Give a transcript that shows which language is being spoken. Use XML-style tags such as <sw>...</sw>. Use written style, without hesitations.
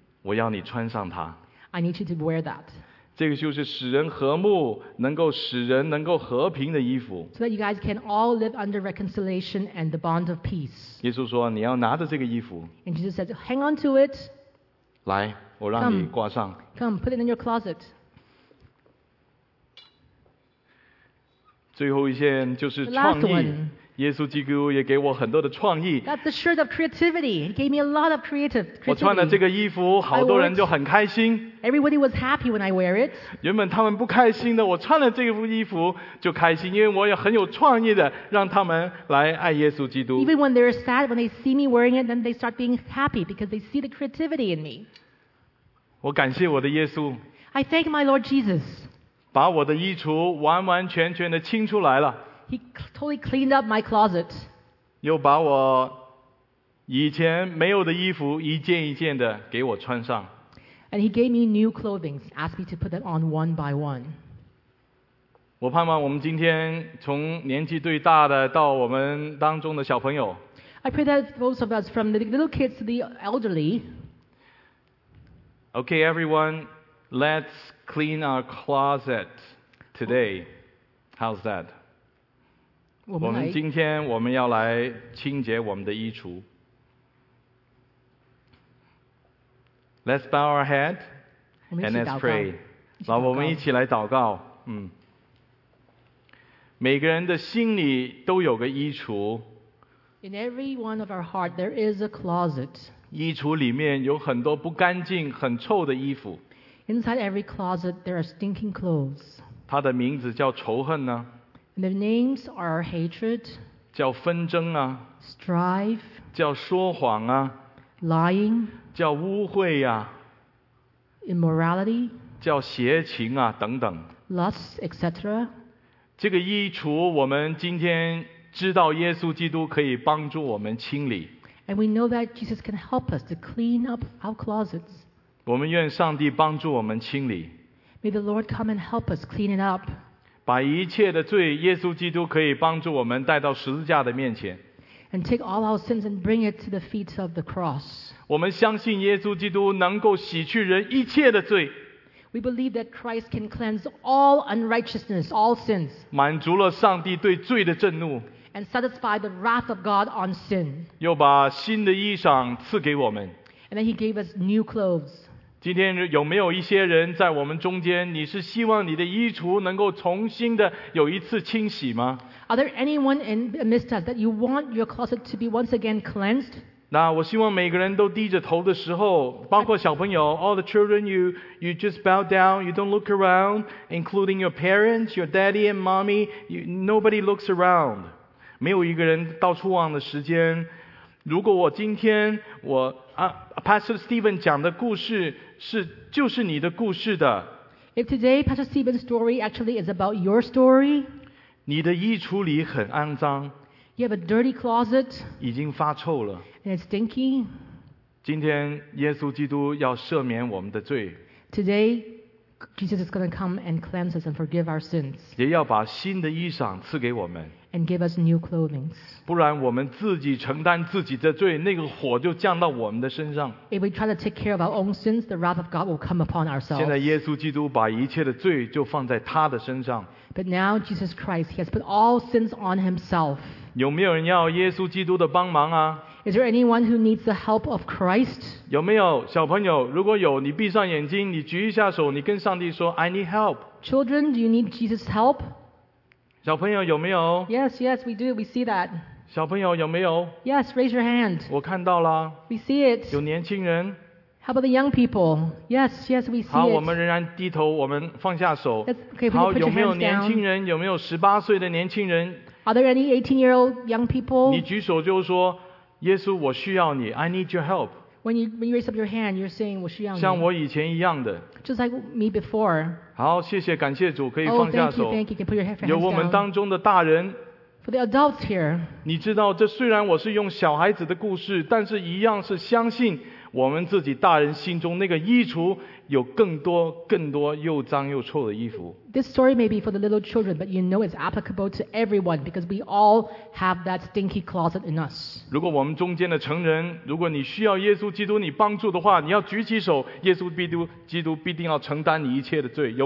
<zh>我要你穿上它。</zh> <en>I need you to wear that.</en> <zh>这个就是使人和睦，能够使人能够和平的衣服。</zh> <en>So that you guys can all live under reconciliation and the bond of peace.</en> <zh>耶稣说你要拿着这个衣服。</zh> <en>And Jesus said, hang on to it.</en> <zh>来，我让你挂上。</zh> <en>Come, put it in your closet.</en> <zh>最后一件就是创意。耶稣基督也给我很多的创意。</zh> <en>That's the shirt of creativity. He gave me a lot of creativity.</en> <zh>我穿了这个衣服，好多人就很开心。</zh> <en>Everybody was happy when I wear it.</en> <zh>原本他们不开心的，我穿了这个衣服就开心，因为我也很有创意的，让他们来爱耶稣基督。</zh> <en>Even when they're sad, when they see me wearing it, then they start being happy because they see the creativity in me.</en> <zh>我感谢我的耶稣。</zh> <en>I thank my Lord Jesus.</en> <zh>把我的衣橱完完全全的清出来了。</zh> <en>He totally cleaned up my closet.</en> <zh>又把我以前没有的衣服一件一件的给我穿上。</zh> <en>And he gave me new clothing, asked me to put them on one by one.</en> <zh>我盼望我们今天从年纪最大的到我们当中的小朋友。</zh> <en>I pray that both of us, from the little kids to the elderly. Okay, everyone, let's clean our closet today. How's that?</en> <zh>我们今天我们要来清洁我们的衣橱。</zh> <en>Let's bow our head and let's pray.</en> <zh>来，我们一起来祷告。每个人的心里都有个衣橱。</zh> <en>In every one of our heart, there is a closet.</en> <zh>衣橱里面有很多不干净、很臭的衣服。</zh> <en>Inside every closet, there are stinking clothes.</en> <zh>它的名字叫仇恨呢。</zh> <en>And their names are hatred,</en> <zh>叫纷争啊,</zh> <en>strife,</en> <zh>叫说谎啊,</zh> <en>lying,</en> <zh>叫污秽啊,</zh> <en>immorality,</en> <zh>叫邪情啊, 等等,</zh> <en>lust, etc.</en> <zh>这个衣橱我们今天知道耶稣基督可以帮助我们清理。</zh> <en>And we know that Jesus can help us to clean up our closets.</en> <zh>我们愿上帝帮助我们清理。</zh> <en>May the Lord come and help us clean it up.</en> <zh>把一切的罪，耶稣基督可以帮助我们带到十字架的面前。</zh> <en>And take all our sins and bring it to the feet of the cross.</en> <zh>我们相信耶稣基督能够洗去人一切的罪。</zh> <en>We believe that Christ can cleanse all unrighteousness, all sins.</en> <zh>满足了上帝对罪的震怒。</zh> <en>And satisfy the wrath of God on sin.</en> <zh>又把新的衣裳赐给我们。</zh> <en>And then he gave us new clothes.</en> <zh>今天有没有一些人在我们中间，你是希望你的衣橱能够重新的有一次清洗吗？</zh> <en>Are there anyone in amidst us that you want your closet to be once again cleansed?</en> <zh>那我希望每个人都低着头的时候，包括小朋友，</zh> <en>all the children, you just bow down, you don't look around, including your parents, your daddy and mommy, nobody looks around.</en> <zh>没有一个人到处望的时间。如果我今天我Pastor Stephen 讲的故事是就是你的故事的。</zh> <en>If today Pastor Stephen's story actually is about your story,</en> <zh>你的衣橱里很肮脏。</zh> <en>You have a dirty closet.</en> <zh>已经发臭了。</zh> <en>And it's stinky.</en> <zh>今天耶稣基督要赦免我们的罪。</zh> <en>Today Jesus is going to come and cleanse us and forgive our sins.</en> <zh>也要把新的衣裳赐给我们。</zh> <en>And give us new clothing.</en> <zh>不然我们自己承担自己的罪，那个火就降到我们的身上。</zh> <en>If we try to take care of our own sins, the wrath of God will come upon ourselves.</en> <zh>现在耶稣基督把一切的罪就放在他的身上。</zh> <en>But now Jesus Christ, he has put all sins on himself.</en> <zh>有没有人要耶稣基督的帮忙啊？</zh> <en>Is there anyone who needs the help of Christ?</en> <zh>有没有小朋友？如果有，你闭上眼睛，你举一下手，你跟上帝说 ，</zh> <en>I need help. Children, do you need Jesus' help?</en> <zh>小朋友有没有？</zh> <en>Yes, yes, we do. We see that.</en> <zh>小朋友有没有？</zh> <en>Yes, raise your hand.</en> <zh>我看到了。</zh> <en>We see it.</en> <zh>有年轻人。</zh> <en>How about the young people? Yes, yes, we see it.</en> <zh>好，我们仍然低头，我们放下手。</zh> <en>Okay, put your hands down.</en> <zh>好，有没有年轻人？有没有十八岁的年轻人？</zh> <en>Are there any 18-year-old young people?</en> <zh>你举手就是说，耶稣，我需要你。</zh> <en>I need your help. When you raise up your hand, you're saying</en> <zh>我需要你。像我以前一样的。</zh> <en>Just like me before.</en> <zh>好，谢谢，感谢主，可以放下手。</zh> <en>Oh, thank you, thank you. Can put your hands down.</en> <zh>有我们当中的大人。</zh> <en>For the adults here.</en> <zh>你知道，这虽然我是用小孩子的故事，但是一样是相信。我们自己大人心中那个衣橱有更多更多又脏又臭的衣服。</zh> <en>This story may be for the little children, but you know it's applicable to everyone because we all have that stinky closet in us.</en> <zh>如果我们中间的成人，如果你需要耶稣基督你帮助的话，你要举起手，耶稣基督必定要承担你一切的罪。</zh>